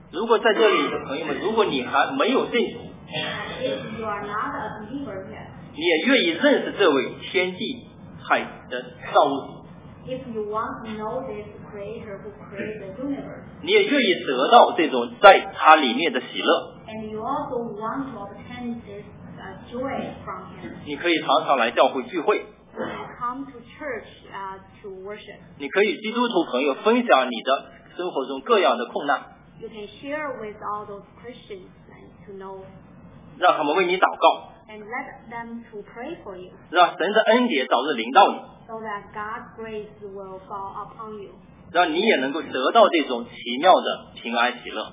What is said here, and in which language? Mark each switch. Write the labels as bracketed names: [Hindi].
[Chinese] 如果在这里的朋友们，如果你还没有信主， [English] if you are not a believer yet, [Chinese] 你也愿意认识这位天地海的造物主， [English] if you want to know this creator who created the universe, [Chinese] 你也愿意得到这种在他里面的喜乐， [English] and you also want to obtain this joy from Him, [Chinese] 你可以常常来教会聚会。 [English] Come to church to worship. [Chinese] 你可以基督徒朋友分享你的生活中各样的困难。 [English] You can share with all those Christians to know. [Chinese] 让他们为你祷告。 [English] And let them to pray for you. [Chinese] 让神的恩典早日临到你。 [English] So that God's grace will fall upon you. [Chinese] 让你也能够得到这种奇妙的平安喜乐。